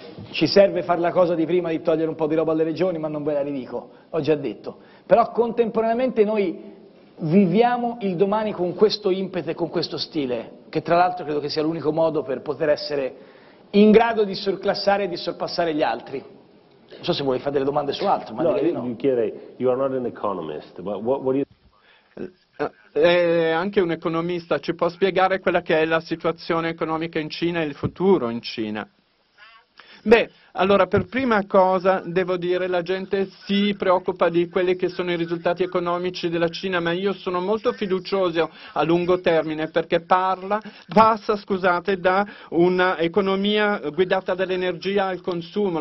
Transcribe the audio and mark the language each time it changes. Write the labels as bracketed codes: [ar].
[it] Ci serve fare la cosa di prima, di togliere un po' di roba alle regioni, ma non ve la ridico, l'ho già detto. Però contemporaneamente noi viviamo il domani con questo impeto e con questo stile, che tra l'altro credo che sia l'unico modo per poter essere in grado di surclassare e di sorpassare gli altri. Non so se vuoi fare delle domande su altro, ma no. [en] You are not an economist, but what do you... [it] Anche un economista ci può spiegare quella che è la situazione economica in Cina e il futuro in Cina. Beh, allora, per prima cosa devo dire, la gente si preoccupa di quelli che sono i risultati economici della Cina, ma io sono molto fiducioso a lungo termine, perché passa da un'economia guidata dall'energia al consumo.